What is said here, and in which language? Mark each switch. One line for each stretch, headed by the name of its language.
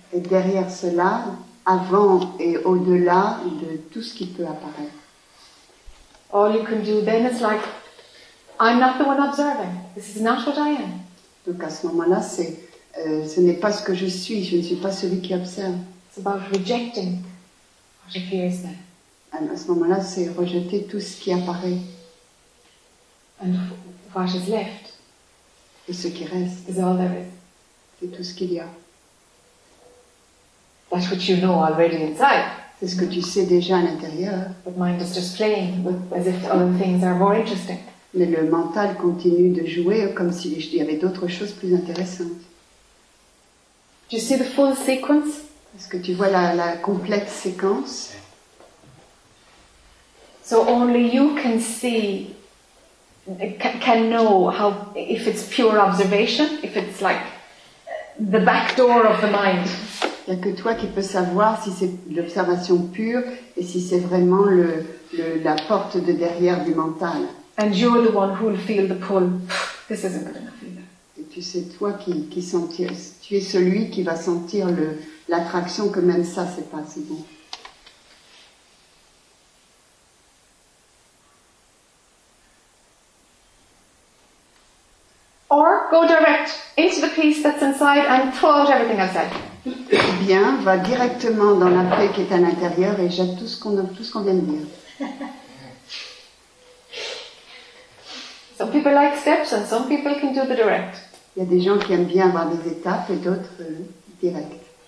French: Et derrière cela, avant et au-delà de tout ce qui peut apparaître.
English: All you can do then is like. I'm not the one observing. This is not what I am.
French: Donc à ce moment-là, ce n'est pas ce que je suis. Je ne suis pas celui qui observe.
English: It's about rejecting what appears there.
French: Alors à ce moment-là, c'est rejeter tout ce qui apparaît.
English: And what is left.
French: Et ce qui reste.
English: Is all there is.
French: C'est tout ce qu'il y a.
English: That's what you know already inside.
French: C'est ce que tu sais déjà à l'intérieur.
English: But mind is just playing as if other things are more interesting.
French: Mais le mental continue de jouer comme s'il y avait d'autres choses plus intéressantes.
English: Do you see the full sequence?
French: Est-ce que tu vois la complète séquence?
English: So only you can see, can know how, if it's pure observation, if it's like the back door of the mind.
French: Il n'y a que toi qui peux savoir si c'est l'observation pure et si c'est vraiment la porte de derrière du mental.
English: And you're the one who will feel the pull. This isn't good enough either.
French: Et tu sais, toi qui sentir, tu es celui qui va sentir l'attraction que même ça, c'est pas si bon.
English: Or go direct into the peace that's inside and pull out everything I've said.
French: bien, va directement dans la paix qui est à l'intérieur et jette tout ce qu'on vient de dire.
English: Some people like steps and some people can do the direct.
French: Il y a des gens qui aiment bien avoir des étapes et d'autres directs.